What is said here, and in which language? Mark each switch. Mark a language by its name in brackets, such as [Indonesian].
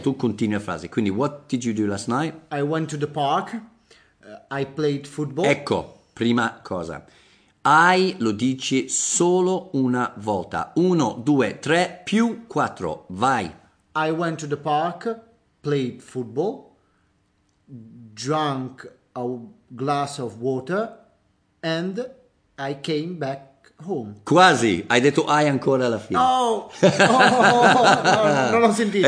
[Italian] Tu continui la frase, quindi [English] what did you do last night? I went to the park, I played football. [Italian] Ecco, prima cosa, I lo dici solo una volta. Uno, due, tre, più quattro, vai. [English] I went to the park, played football, drank a glass of water and I came back home. [Italian] Quasi, hai detto I ancora alla fine. No, non ho sentito.